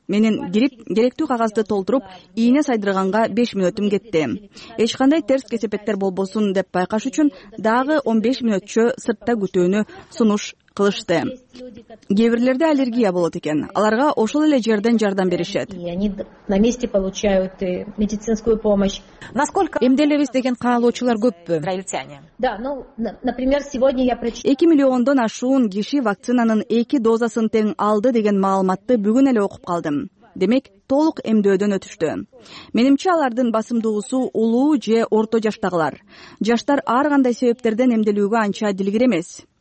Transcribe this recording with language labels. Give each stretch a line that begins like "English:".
Kyrgyz: Менин кирип, керектүү кагазды толтуруп, ийне сайдырганга 5 мүнөтүм кетти. Эч кандай терс кесепеттер болбосун деп байкаш үчүн дагы 15 мүнөтчө сыртта күтүүнү сунуш кылышты. Кээ бирлерде аллергия болот экен. Аларга ошол эле жерден жардам беришет.
Russian: Они на месте получают медицинскую помощь. Насколько
Kyrgyz: эмделебиз деген каалоочулар көппү?
Russian: Да, ну, например, сегодня я прочитала.
Kyrgyz: 2 миллиондон ашуун киши вакцинанын 2 дозасын тең алды деген маалыматты бүгүн эле окуп калдым. Демек, толук эмдөөдөн өтүштү. Менимче алардын басымдуусу улуу же орто жаштагылар. Жаштар ар кандай себептерден эмделүүгө анча дилгир эмес.